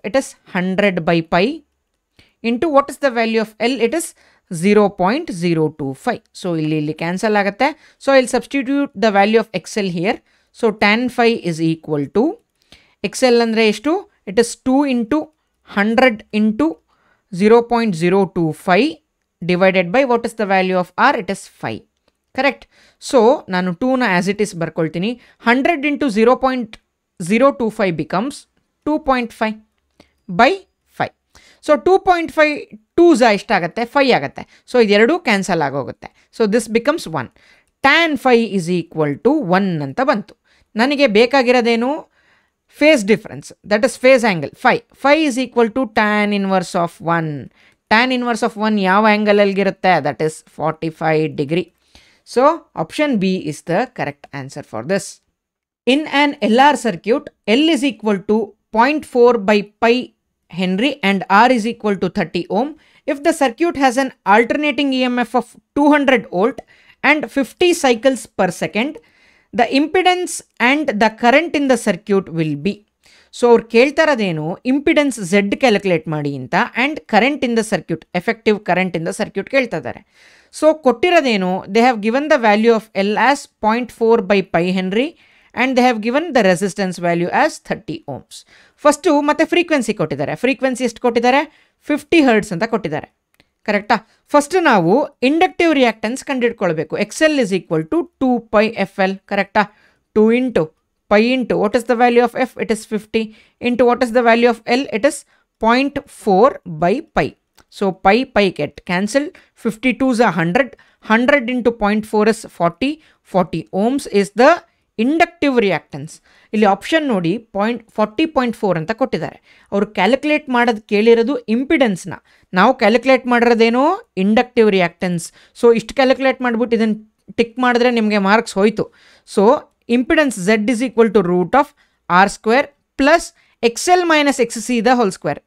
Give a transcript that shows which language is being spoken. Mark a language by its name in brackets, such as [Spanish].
[English] It is 100/π into what is the value of L? It is 0.025. So [Kannada] ಇಲ್ಲಿ ಇಲ್ಲಿ cancel ಆಗುತ್ತೆ. [English] So ಇಲ್ಲಿ substitute the value of XL here. So tan phi is equal to XL [Kannada] ಅಂದರೆ ಎಷ್ಟು? [English] It is 2 × 100 × 0.025 divided by what is the value of R? It is 5. Correct. So ನಾನು ಟೂನ as it is [Kannada] ಬರ್ಕೊಳ್ತೀನಿ. [English] 100 × 0.025 becomes 2.5/5. [Kannada] So 2.5 twos ಎಷ್ಟಾಗತ್ತೆ? 5 ಆಗುತ್ತೆ. So ಇದೆರಡೂ cancel ಆಗೋಗುತ್ತೆ. [English] So this becomes 1. [Kannada] Tan 5 [English] is equal to [Kannada] 1 ಅಂತ ಬಂತು. ನನಗೆ ಬೇಕಾಗಿರೋದೇನು? [English] Phase difference, that is phase angle. 5 is equal to tan inverse of 1. Tan inverse of 1 [Kannada] ಯಾವ ಆ್ಯಂಗಲಲ್ಲಿಗಿರುತ್ತೆ? [English] That is 45 degrees. So, option B is the correct answer for this. In an LR circuit, L is equal to 0.4/π Henry and R is equal to 30 ohm. If the circuit has an alternating EMF of 200 volt and 50 cycles per second, the impedance and the current in the circuit will be. [Kannada] So ಅವ್ರು ಕೇಳ್ತಾರದೇನು, impedance Z calculate ಮಾಡಿ ಅಂತ, [English] and current in the circuit, [Kannada] effective current in the circuit ಕೇಳ್ತಾಯಿದ್ದಾರೆ. So ಕೊಟ್ಟಿರೋದೇನು, [English] They have given the value of L as 0.4/π Henry and they have given the resistance value as 30 ohms. [Kannada] First ಮತ್ತು frequency ಕೊಟ್ಟಿದ್ದಾರೆ. Frequency ಎಷ್ಟು ಕೊಟ್ಟಿದ್ದಾರೆ? 50 hertz ಅಂತ ಕೊಟ್ಟಿದ್ದಾರೆ. ಕರೆಕ್ಟಾ? First ನಾವು inductive reactance ಕಂಡುಹಿಡ್ಕೊಳ್ಬೇಕು. [English] XL is equal to 2π FL. [Kannada] ಕರೆಕ್ಟಾ? [English] 2 × π × what is the value of F? It is 50. Into what is the value of L? It is 0.4/π. So, π get cancelled. 52 is 100. 100 into 0.4 is 40. 40 ohms is the inductive reactance. [Kannada] ಇಲ್ಲಿ option ನೋಡಿ, 40.4 ಅಂತ ಕೊಟ್ಟಿದ್ದಾರೆ. ಅವರು calculate ಮಾಡೋದು ಕೇಳಿರೋದು ಇಂಪಿಡೆನ್ಸ್ನ, ನಾವು calculate ಮಾಡಿರೋದೇನು inductive reactance. So ಇಷ್ಟು calculate ಮಾಡಿಬಿಟ್ಟು ಇದನ್ನು ಟಿಕ್ ಮಾಡಿದ್ರೆ ನಿಮಗೆ ಮಾರ್ಕ್ಸ್ ಹೋಯಿತು. [English] So impedance Z is equal to root of R square plus XL minus XC the whole square.